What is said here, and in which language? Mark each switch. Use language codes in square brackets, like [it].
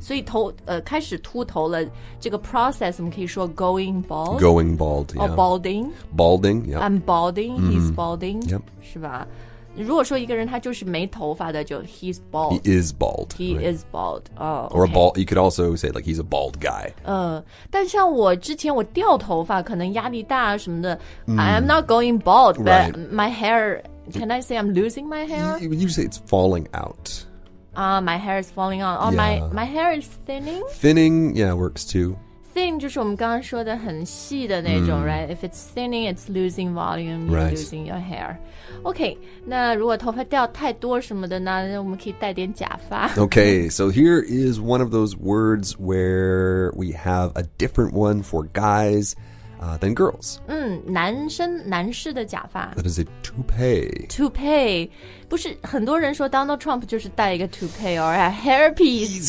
[zh] 所以头开始秃头了这个 process 我们可以说 going bald. [en] Going bald, yeah. Or balding. Balding, yeah. I'm balding,、mm-hmm. he's balding. Yep. 是吧如果说一个人他就是没头发的就 he's bald. He is bald. He、 right. is bald.、Oh, okay. Or a bald, you could also say like he's a bald guy.、 [zh] 但像我之前我掉头发可能压力大什么的、mm. [en] I'm not going bald, but、 right. my hair, can I say I'm losing my hair? You say it's falling out. My hair is falling out. Oh,、 yeah. my hair is thinning? Thinning, yeah, works too. [zh] Thin 就是我们刚刚说的很细的那种、mm. [en] right? If it's thinning, it's losing volume, you're、 right. losing your hair. [zh] Okay, 那如果头发掉太多什么的呢我们可以戴点假发。 [en] Okay, so here is one of those words where we have a different one for guys、than girls. [zh] 男士的假发。 [en] That is a toupee. [zh] Toupee. 不是很多人说 Donald Trump 就是戴一个 toupee or a hairpiece.